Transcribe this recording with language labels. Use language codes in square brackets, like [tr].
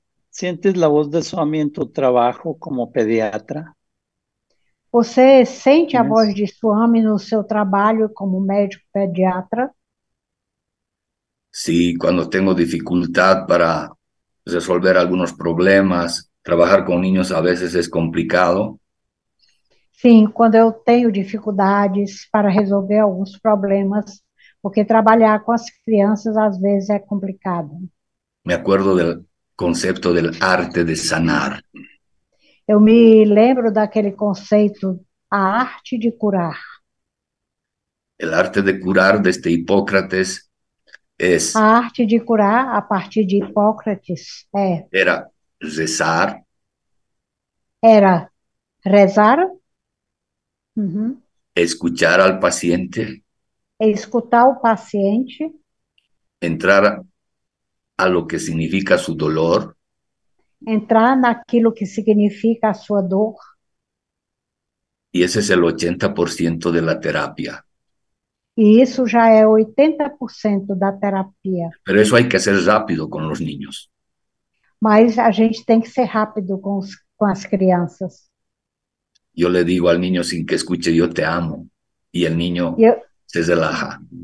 [es] Sientes la voz de Swami en tu trabajo como pediatra? [pt] Você sente a voz [es] Tienes? [pt] de Swami no seu trabalho como médico pediatra? [es] Sí, cuando tengo dificultad para resolver algunos problemas, trabajar con niños a veces es complicado. [pt] Sim, quando eu tenho dificuldades para resolver alguns problemas, porque trabalhar com as crianças às vezes é complicado. [es] Me acuerdo del concepto del arte de sanar. [pt] Eu me lembro daquele conceito, a arte de curar. [es] El arte de curar desde Hipócrates es, [pt] A arte de curar a partir de Hipócrates [es] era rezar. [pt] era rezar. [es] Escuchar al paciente. [pt] Escutar o paciente, [es] Entrar a lo que significa su dolor, [pt] entrar naquilo que significa a sua dor. [es] y ese es el 80% de la terapia. [pt] E isso já é 80% da terapia. [es] Pero eso hay que hacer rápido con los niños. [pt] Mas a gente tem que ser rápido com as crianças. [es] Yo le digo al niño sin que escuche, yo te amo, y el niño se relaja.